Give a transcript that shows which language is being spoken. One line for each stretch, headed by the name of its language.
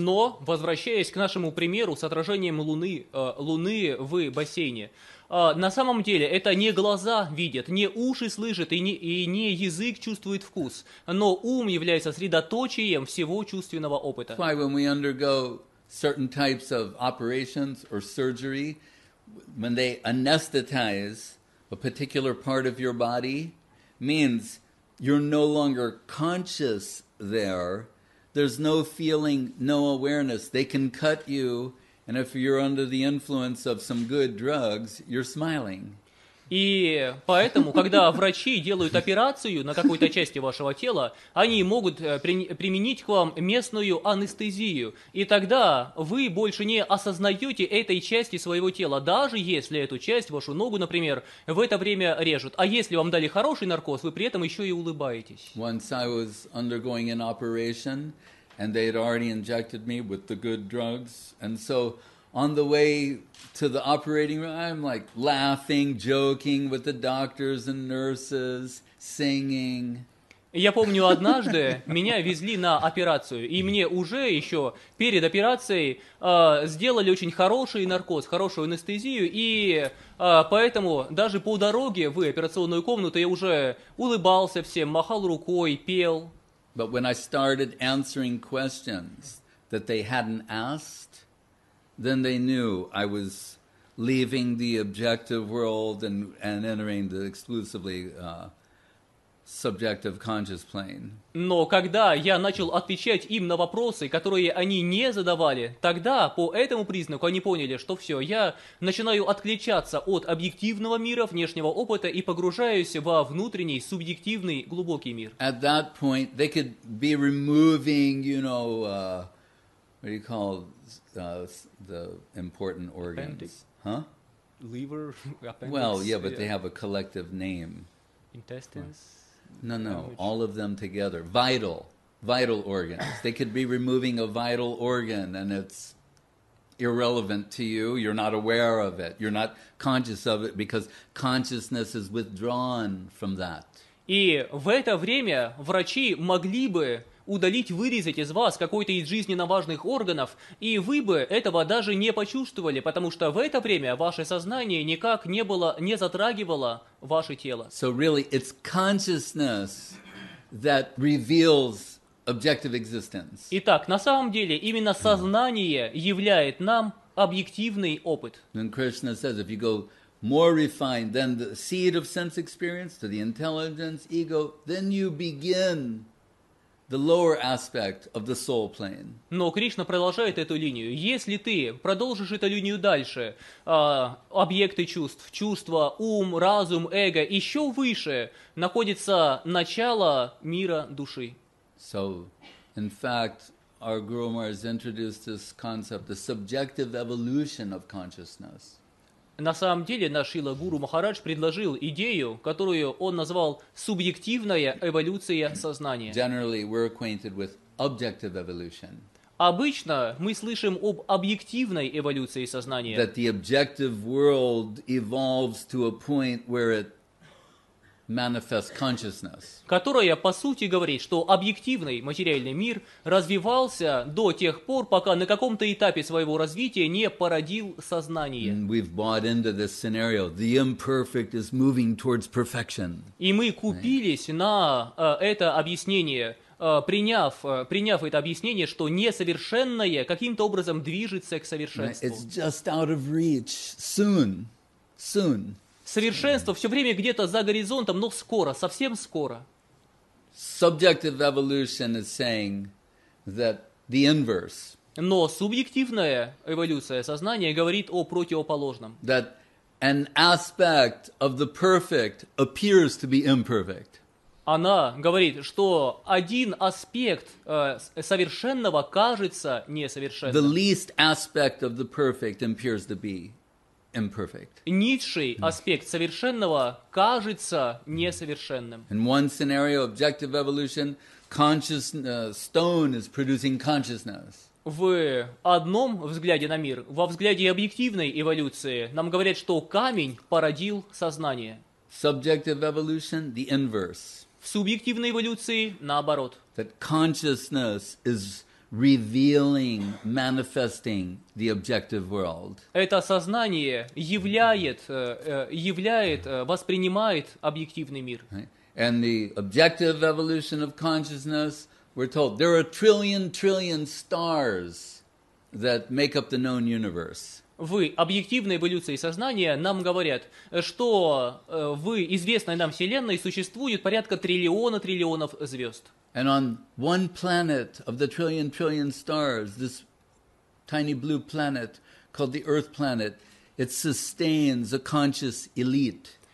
Russian: Но, возвращаясь к нашему примеру с отражением луны, луны в бассейне, на самом деле это не глаза видят, не уши слышат и не язык чувствует вкус, но ум является средоточием всего чувственного опыта.
English: That's why when we undergo certain types of operations or surgery, when they anesthetize a particular part of your body, means you're no longer conscious there. There's no feeling, no awareness. They can cut you, and if you're under the influence of some good drugs, you're smiling.
Russian: И поэтому, когда врачи делают операцию на какой-то части вашего тела, они могут применить к вам местную анестезию. И тогда вы больше не осознаете этой части своего тела, даже если эту часть, вашу ногу, например, в это время режут. А если вам дали хороший наркоз, вы при этом еще и улыбаетесь.
English: Once I was undergoing an operation, and they had already injected me with the good drugs, and so... On the way to the operating room, I'm like laughing, joking with the doctors and nurses, singing.
Russian: Я помню, однажды меня везли на операцию, и мне уже еще перед операцией сделали очень хороший наркоз, хорошую анестезию, и поэтому даже по дороге в операционную комнату я уже улыбался всем, махал рукой, пел.
English: But when I started answering questions that they hadn't asked, then they knew I was leaving the objective world and entering the exclusively subjective conscious plane.
Russian: Но когда я начал отвечать им на вопросы, которые они не задавали, тогда по этому признаку они поняли, что все, я начинаю отключаться от объективного мира, внешнего опыта и погружаюсь во внутренний, субъективный, глубокий мир.
English: At that point, they could be removing, you know, what do you call it? The important organs. Appendix. Huh? Liver, appendix. Well, yeah, but they have a collective name. Intestines? No, no, damage. All of them together. Vital organs. They could be removing a vital organ and it's irrelevant to you. You're not aware of it. You're not conscious of it because consciousness is withdrawn from that.
Russian: И в это время врачи могли бы удалить, вырезать из вас какой-то из жизненно важных органов, и вы бы этого даже не почувствовали, потому что в это время ваше сознание никак не было, не затрагивало ваше тело.
English: So really, it's consciousness that reveals objective existence.
Russian: Итак, на самом деле, именно сознание являет нам объективный опыт.
English: And Krishna says, if you go more refined than the seed of sense experience to the intelligence, ego, then you begin the lower aspect of the soul plane.
Russian: Но Кришна продолжает эту линию. Если ты продолжишь эту линию дальше, объекты чувств, чувства, ум, разум, эго, еще выше находится начало мира души.
English: So, in fact, our Guru Maharaj introduced this concept, the subjective evolution of consciousness.
Russian: На самом деле наш Шрила Гуру Махарадж предложил идею, которую он назвал субъективная эволюция сознания.
English: Generally, we're acquainted with objective evolution.
Russian: Обычно мы слышим об объективной эволюции сознания.
English: That the objective world evolves to a point where it manifest consciousness.
Russian: Которая, по сути, говорит, что объективный материальный мир развивался до тех пор, пока на каком-то этапе своего развития не породил сознание.
English: And we've bought into this scenario. The imperfect is moving towards perfection.
Russian: И мы купились
English: right?
Russian: на это объяснение, приняв это объяснение, что несовершенное каким-то образом движется к совершенству.
English: Right? It's just out of reach. Soon.
Russian: Совершенство все время где-то за горизонтом, но скоро, совсем скоро.
English: Subjective evolution is saying that the inverse.
Russian: Но субъективная эволюция сознания говорит о противоположном.
English: That an aspect of the perfect appears to be imperfect.
Russian: Она говорит, что один аспект совершенного кажется несовершенным.
English: The least aspect of the perfect appears to be imperfect.
Russian: Низший аспект совершенного кажется несовершенным.
English: In one scenario, objective evolution, stone is producing consciousness.
Russian: В одном взгляде на мир, во взгляде объективной эволюции, нам говорят, что камень породил сознание.
English: Subjective evolution, the inverse.
Russian: В субъективной эволюции наоборот.
English: That consciousness is revealing, manifesting the objective world.
Russian: Это сознание является, воспринимает объективный мир.
English: And the objective evolution of consciousness, we're told, there are trillion stars that make up the known universe.
Russian: В объективной эволюции сознания нам говорят, что в известной нам Вселенной существует порядка триллионов звезд.
English: And on one planet of the trillion stars, this tiny blue planet called the Earth planet, it sustains a conscious elite.